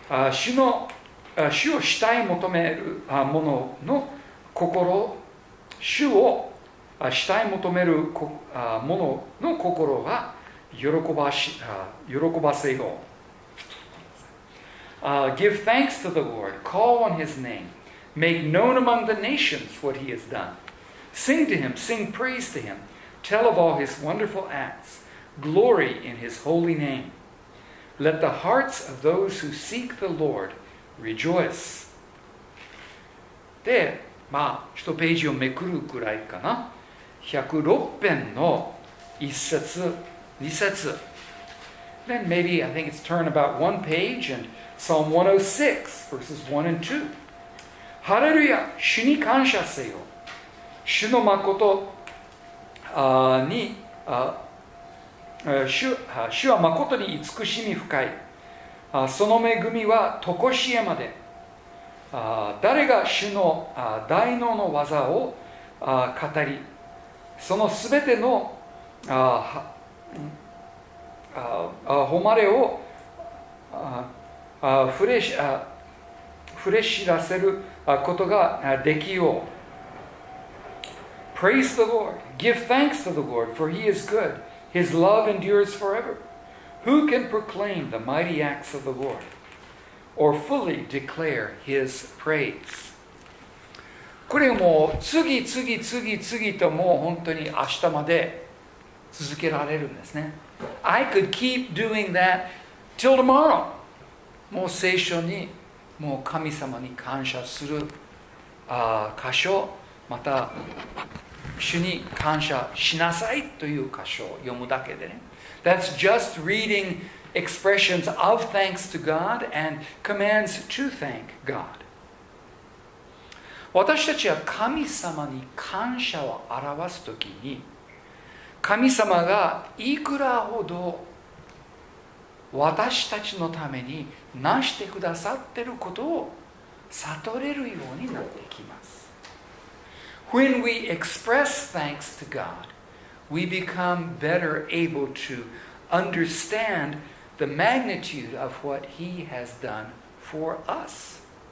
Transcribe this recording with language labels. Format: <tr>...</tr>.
<ja>主を慕い求める者の心、主を慕い求める者の心は喜ばせよう。</ja> <en>Give thanks to the Lord. Call on His name. Make known among the nations what He has done. Sing to Him. Sing praise to Him. Tell of all His wonderful acts. Glory in His holy name. Let the hearts of those who seek the Lord rejoice.</en> <ja>で、まあ、一ページをめくるくらいかな。 106編の一節、二節。</ja> <en>Then maybe I think it's turn about one page and Psalm 106, verses 1 and 2.</en> <ja>ハレルヤ、主に感謝せよ。主の誠に、主は誠に慈しみ深い。その恵みはとこしえまで。誰が主の大能の技を語り、そのすべての誉れを触れ知らせることができよう。</ja> <en>Praise the Lord. Give thanks to the Lord, for he is good. His love endures forever. Who can proclaim the mighty acts of the Lord? Or fully declare his praise.</en> <ja>これも次次次次ともう本当に明日まで続けられるんですね。</ja> <en>I could keep doing that till tomorrow.</en> <ja>もう聖書にもう神様に感謝する箇所、また主に感謝しなさいという箇所を読むだけでね。</ja> <en>That's just reading expressions of thanks to God and commands to thank God.</en> <ja>私たちは神様に感謝を表すときに、神様がいくらほど私たちのためになしてくださっていることを悟れるようになってきます。</ja> <en>When we express thanks to God, we become better able to understand the magnitude of what He has done for us.</en>